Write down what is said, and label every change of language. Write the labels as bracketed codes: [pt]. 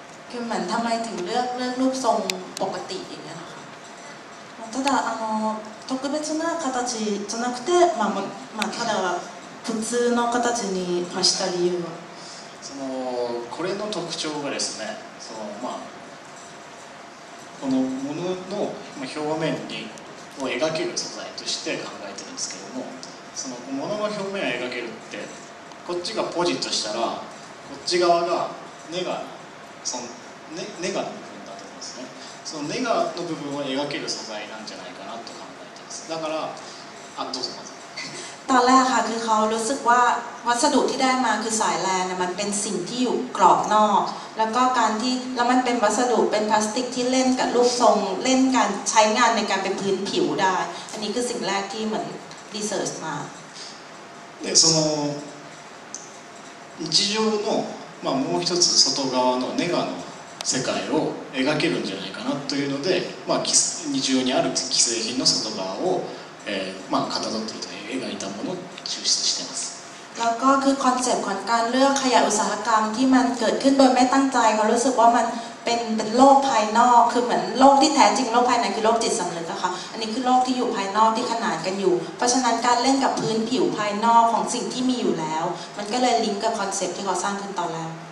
[th] คือเหมือนทำไมถึงเลือกรูปทรงปกติอย่างเงี้ยนะคะ [ja] ただ特別な形じゃなくてまあまあただ普通の形にした理由はそのこれの特徴がですねそのまあこのものの表面にを描ける素材として考えてるんですけどもそのものの表面を描けるってこっちがポジとしたらこっち側が根がその、ね、ネガの部分だと思うんですね。そのネガの部分を描ける素材なんじゃないかなと考えています。だから、あ、どうぞまず。 [th] ตอนแรกค่ะคือเขารู้สึกว่าวัสดุที่ได้มาคือสายแลนน่ะมันเป็นสิ่งที่อยู่กรอบนอกแล้วก็การที่แล้วมันเป็นวัสดุเป็นพลาสติกที่เล่นกับรูปทรงเล่นการใช้งานในการเป็นพื้นผิวได้อันนี้คือสิ่งแรกที่เหมือนรีเสิร์ชมา [ja] で、その日常のまあもう一つ外側のネガの世界を描けるんじゃないかなというのでまあ日常にある既製品の外側をまあかたどっていた描いたものを抽出してます。 [th] แล้วก็คือคอนเซ็ปต์ของการเลือกขยะอุตสาหกรรมที่มันเกิดขึ้นโดยไม่ตั้งใจเขารู้สึกว่ามันเป็นโลกภายนอกคือเหมือนโลกที่แท้จริงโลกภายในคือโลกจิตสำนึกนะคะอันนี้คือโลกที่อยู่ภายนอกที่ขนานกันอยู่เพราะฉะนั้นการเล่นกับพื้นผิวภายนอกของสิ่งที่มีอยู่แล้วมันก็เลยลิงก์กับคอนเซ็ปต์ที่เขาสร้างขึ้นตอนแรก